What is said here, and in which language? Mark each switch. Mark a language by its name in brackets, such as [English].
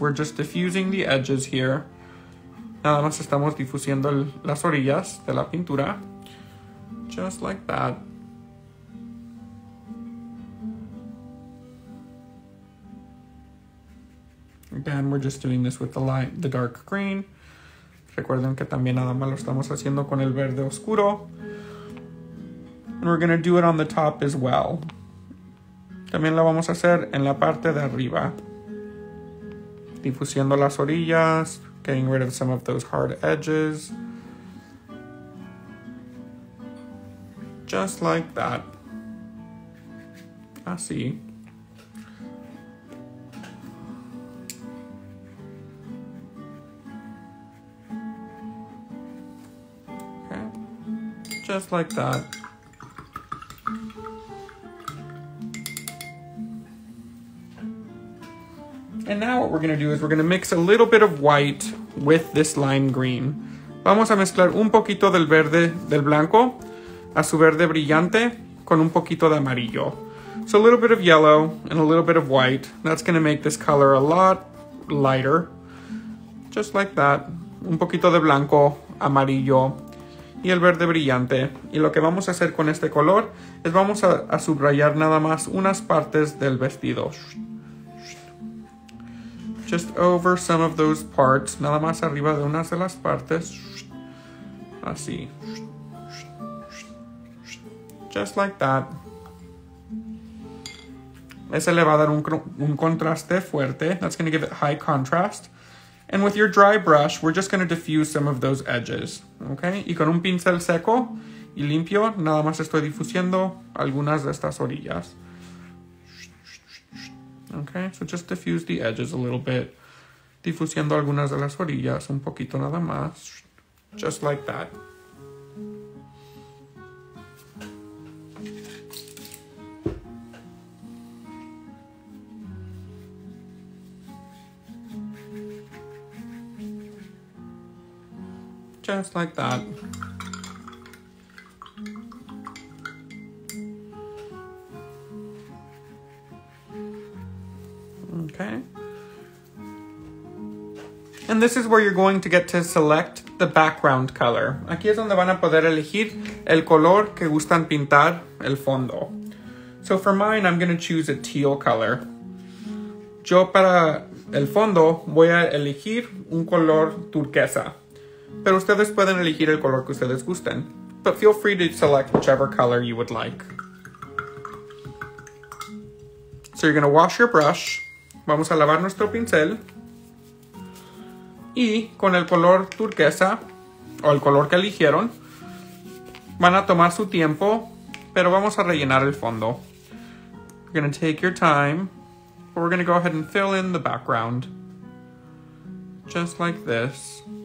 [English] We're just diffusing the edges here. [Spanish] Nada más estamos difusiendo las orillas de la pintura. [English] Just like that. Again, we're just doing this with the light, the dark green. [Spanish] Recuerden que también nada más lo estamos haciendo con el verde oscuro. [English] And we're going to do it on the top as well. [Spanish] También lo vamos a hacer en la parte de arriba. Difusiendo las orillas, [English] getting rid of some of those hard edges. Just like that. [Spanish] Así. [English] Just like that. And now what we're going to do is we're going to mix a little bit of white with this lime green. [Spanish] Vamos a mezclar un poquito del verde, del blanco, a su verde brillante, con un poquito de amarillo. [English] So a little bit of yellow and a little bit of white. That's going to make this color a lot lighter. Just like that. [Spanish] Un poquito de blanco, amarillo, y el verde brillante. Y lo que vamos a hacer con este color es vamos a subrayar nada más unas partes del vestido. [English] Just over some of those parts. [Spanish] Nada más arriba de unas de las partes. Así. [English] Just like that. [Spanish] Ese le va a dar un contraste fuerte. [English] That's going to give it high contrast. And with your dry brush, we're just going to diffuse some of those edges, okay? [Spanish] Y con un pincel seco y limpio, nada más estoy difusiendo algunas de estas orillas. [English] Okay, so just diffuse the edges a little bit. [Spanish] Difusiendo algunas de las orillas, un poquito nada más. [English] Just like that. Just like that. Okay. And this is where you're going to get to select the background color. [Spanish] Aquí es donde van a poder elegir el color que gustan pintar el fondo. [English] So for mine, I'm going to choose a teal color. [Spanish] Yo para el fondo voy a elegir un color turquesa. Pero ustedes pueden elegir el color que ustedes gusten. [English] But feel free to select whichever color you would like. So you're going to wash your brush. [Spanish] Vamos a lavar nuestro pincel. Y con el color turquesa, o el color que eligieron, van a tomar su tiempo, pero vamos a rellenar el fondo. [English] You're going to take your time. But we're going to go ahead and fill in the background. Just like this.